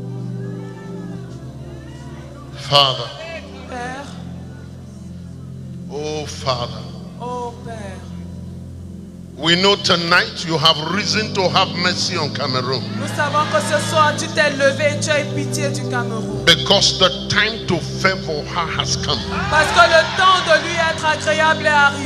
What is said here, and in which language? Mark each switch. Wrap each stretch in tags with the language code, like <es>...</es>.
<en>Amen. Father.</en> <fr>Père.</fr> <en>Oh Father.</en> <fr>Oh Père.</fr> <en>We know tonight you have reason to have mercy on Cameroon.</en> <fr>Nous savons que ce soir tu t'es levé et tu as eu pitié du Cameroun.</fr> <en>Because the time to favor her has come.</en> <fr>Parce que le temps de lui être agréable est arrivé.</fr>